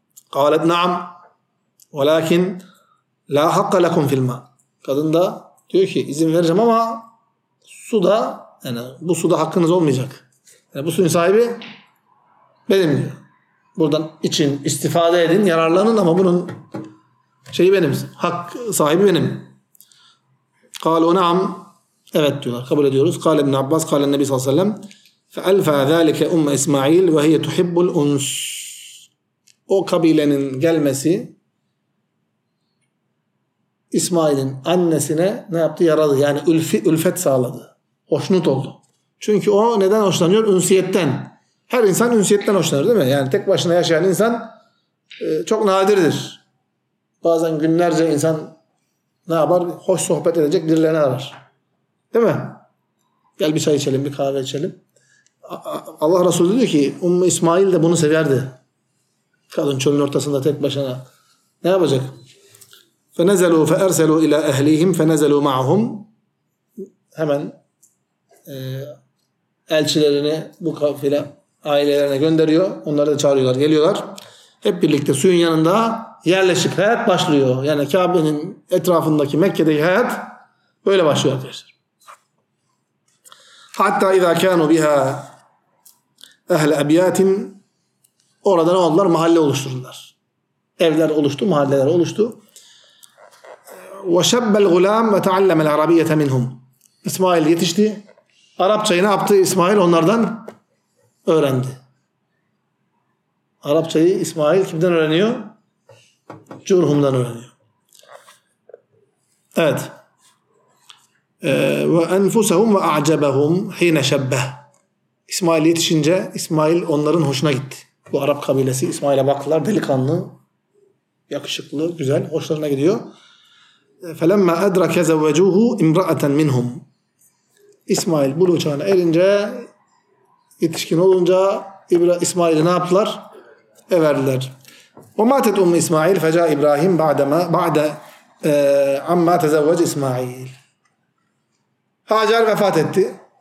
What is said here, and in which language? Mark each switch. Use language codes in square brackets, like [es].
[ar] قَالَتْ نَعَمْ وَلَاكِنْ لَا حَقَّ لَكُمْ فِي الْمَا [tr] Kadın da diyor ki izin vereceğim ama su da, yani bu suda hakkınız olmayacak. Yani bu suyun sahibi benim diyor. Buradan için istifade edin, yararlanın ama bunun şeyi benim, hak sahibi benim. [ar] قَالُوا نَعَمْ [tr] Evet diyorlar, kabul ediyoruz. [ar] قال ابن عباس قال النبي صلى الله عليه وسلم فألفى ذلك أم إسماعيل وهي تحب الأنس [tr] O kabilenin gelmesi İsmail'in annesine ne yaptı? Yaradı. Yani ülfet sağladı. Hoşnut oldu. Çünkü o neden hoşlanıyor? Ünsiyetten. Her insan ünsiyetten hoşlanır değil mi? Yani tek başına yaşayan insan çok nadirdir. Bazen günlerce insan ne yapar? Hoş sohbet edecek birilerini arar. Değil mi? Gel bir çay içelim, bir kahve içelim. Allah Resulü diyor ki Ummu İsmail de bunu severdi. Kadın çölün ortasında tek başına. Ne yapacak? [ar] فَنَزَلُوا فَاَرْسَلُوا اِلَى اَهْلِهِمْ فَنَزَلُوا مَعْهُمْ [tr] Hemen elçilerini bu kafile ailelerine gönderiyor. Onları da çağırıyorlar, geliyorlar. Hep birlikte suyun yanında yerleşik hayat başlıyor. Yani Kabe'nin etrafındaki, Mekke'deki hayat böyle başlıyor arkadaşlar. Hatta [ar] اِذَا كَانُوا بِهَا اَهْلَ اَبْيَاتٍ [tr] Orada ne oldular? Mahalle oluşturdular. Evler oluştu, mahalleler oluştu. [ar] وَشَبَّ الْغُلَامِ وَتَعَلَّمَ الْعَرَبِيَّةَ مِنْهُمْ [tr] İsmail yetişti. Arapçayı ne yaptı? İsmail onlardan öğrendi. Arapçayı İsmail kimden öğreniyor? Curhum'dan öğreniyor. Evet. [ar] وَاَنْفُسَهُمْ وَاَعْجَبَهُمْ حِينَ شَبَّهُ [tr] İsmail yetişince İsmail onların hoşuna gitti. Bu Arap kabilesi İsmail'e baktılar. Delikanlı, yakışıklı, güzel, hoşlarına gidiyor. [ar] فَلَمَّا اَدْرَكَ زَوَّجُوهُ اِمْرَأَةً مِنْهُمْ [tr] İsmail bu uçağına erince, yetişkin olunca İsmail'i ne yaptılar? Everdiler. [ar] وَمَاتَتْ اُمْ اِسْمَعِيلِ فَجَاءَ اِبْرَاهِيمُ بَعْدَ عَمَّا تَزَوَّجِ اِسْمَعِيلِ [tr] Hacer vefat etti.